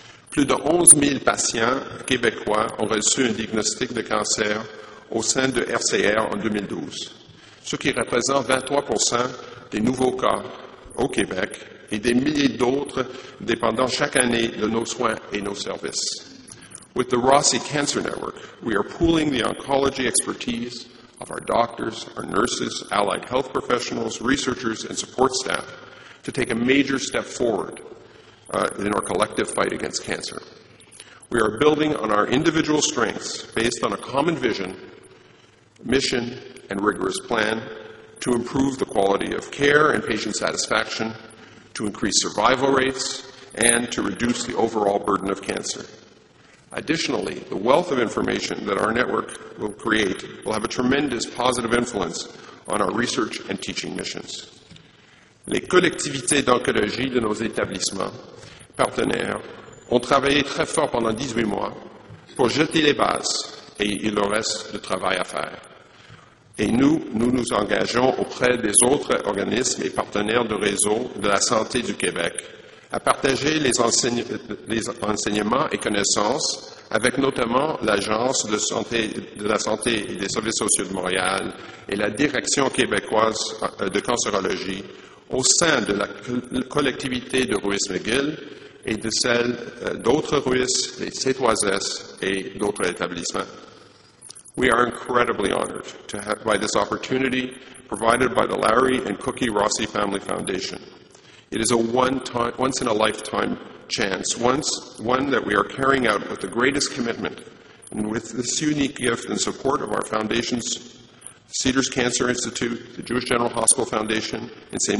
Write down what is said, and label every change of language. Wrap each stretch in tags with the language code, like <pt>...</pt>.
<fr>Plus de 11 000 patients québécois ont reçu un diagnostic de cancer au sein de RCR en 2012, ce qui représente 23 % des nouveaux cas au Québec et des milliers d'autres dépendant chaque année de nos soins et nos services.</fr> <en>With the Rossi Cancer Network, we are pooling the oncology expertise of our doctors, our nurses, allied health professionals, researchers, and support staff to take a major step forward in our collective fight against cancer. We are building on our individual strengths based on a common vision, mission, and rigorous plan to improve the quality of care and patient satisfaction, to increase survival rates, and to reduce the overall burden of cancer. Additionally, the wealth of information that our network will create will have a tremendous positive influence on our research and teaching missions.</en> <fr>Les collectivités d'oncologie de nos établissements partenaires ont travaillé très fort pendant 18 mois pour jeter les bases et il leur reste du travail à faire. Et nous, nous nous engageons auprès des autres organismes et partenaires de réseau de la santé du Québec à partager les enseignements et connaissances avec notamment l'Agence de la santé et des services sociaux de Montréal et la Direction québécoise de cancérologie au sein de la collectivité de Ruiz-McGill et de celle d'autres Ruiz, les Cétoises et d'autres établissements.</fr> <en>We are incredibly honored to have by this opportunity provided by the Larry and Cookie Rossi Family Foundation. It is a once-in-a-lifetime chance, one that we are carrying out with the greatest commitment. And with this unique gift and support of our foundations, Cedars Cancer Institute, the Jewish General Hospital Foundation, and St.</en>